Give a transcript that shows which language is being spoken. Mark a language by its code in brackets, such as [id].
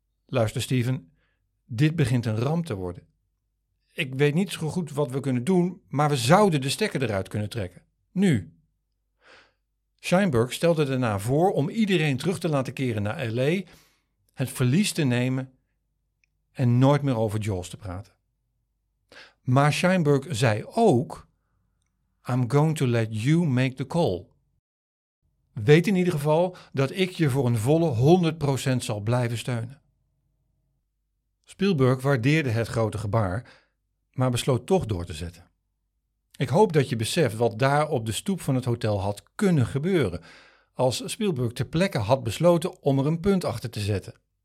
[nl] Luister, Steven, dit begint een ramp te worden. Ik weet niet zo goed wat we kunnen doen, maar we zouden de stekker eruit kunnen trekken. Nu. Scheinberg stelde daarna voor om iedereen terug te laten keren naar L.A., het verlies te nemen en nooit meer over Jaws te praten. Maar Scheinberg zei ook, [en] I'm going to let you make the call. [nl] Weet in ieder geval dat ik je voor een volle 100% zal blijven steunen. Spielberg waardeerde het grote gebaar, maar besloot toch door te zetten. Ik hoop dat je beseft wat daar op de stoep van het hotel had kunnen gebeuren, als Spielberg ter plekke had besloten om er een punt achter te zetten.